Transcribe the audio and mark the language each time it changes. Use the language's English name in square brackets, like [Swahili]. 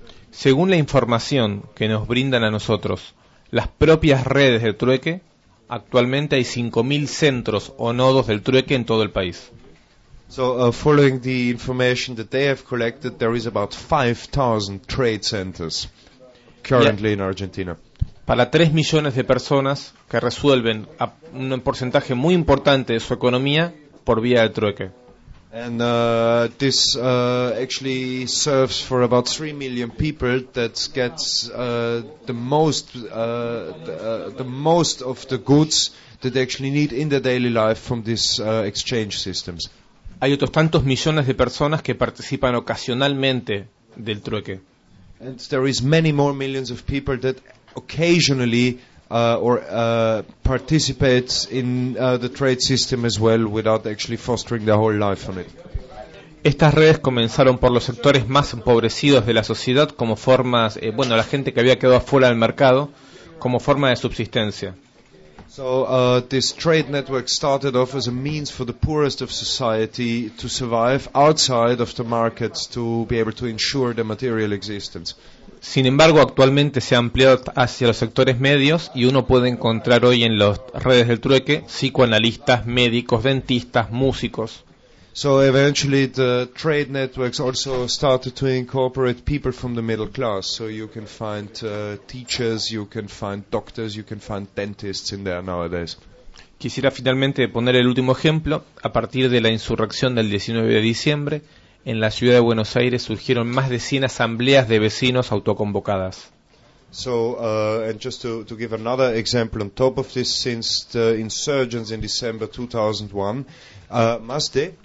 [Spanish] Según la información que nos brindan a nosotros las propias redes del trueque, actualmente hay 5.000 centros o nodos del trueque en todo el país. [English] So following the information that they have collected, there is about 5,000 trade centers currently in Argentina. [Spanish] Para 3 millones de personas que resuelven un porcentaje muy importante de su economía por vía del trueque. [English] And this actually serves for about 3 million people that gets the most of the goods that they actually need in their daily life from these exchange systems. [Spanish] Hay otros tantos millones de personas que participan ocasionalmente del trueque. [English] And there is many more millions of people that occasionally participates in the trade system as well without actually fostering their whole life on it. [Spanish] Estas redes comenzaron por los sectores más empobrecidos de la sociedad como formas, bueno, la gente que había quedado fuera del mercado, como forma de subsistencia. [English] So this trade network started off as a means for the poorest of society to survive outside of the markets to be able to ensure their material existence. [Spanish] Sin embargo, actualmente se ha ampliado hacia los sectores medios y uno puede encontrar hoy en las redes del trueque psicoanalistas, médicos, dentistas, músicos. [English] So eventually the trade networks also started to incorporate people from the middle class. So you can find teachers, you can find doctors, you can find dentists in there nowadays. [Spanish] Quisiera finalmente poner el último ejemplo. A partir de la insurrección del 19 de diciembre, en la ciudad de Buenos Aires surgieron más de 100 asambleas de vecinos autoconvocadas. [English] So, and just to give another example on top of this, since the insurgents in December 2001, [Spanish] más de